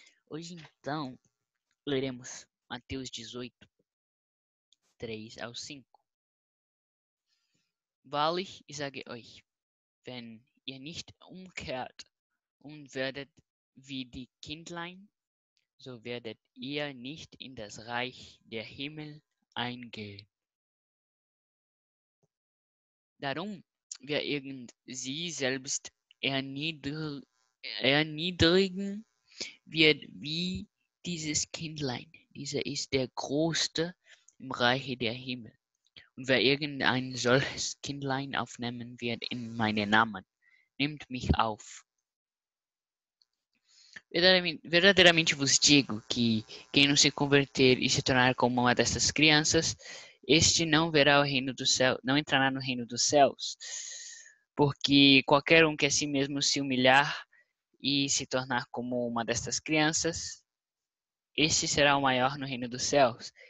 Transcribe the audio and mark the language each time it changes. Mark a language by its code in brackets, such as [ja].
[pt] Hoje então, leremos Mateus 18, 3 ao 5. [de] Wahrlich, ich sage euch, wenn ihr nicht umkehrt und werdet wie die Kindlein, so werdet ihr nicht in das Reich der Himmel eingehen. Darum, wer irgend sie selbst erniedrigen wird wie dieses Kindlein, dieser ist der Größte im Reiche der Himmel. Und wer irgendein solches Kindlein aufnehmen wird in meinen Namen, nimmt mich auf. [pt] Verdadeiramente vos digo que quem não se converter e se tornar como uma dessas crianças, este não verá o reino do céu, não entrará no reino dos céus. Porque qualquer um que a si mesmo se humilhar e se tornar como uma destas crianças, este será o maior no reino dos céus.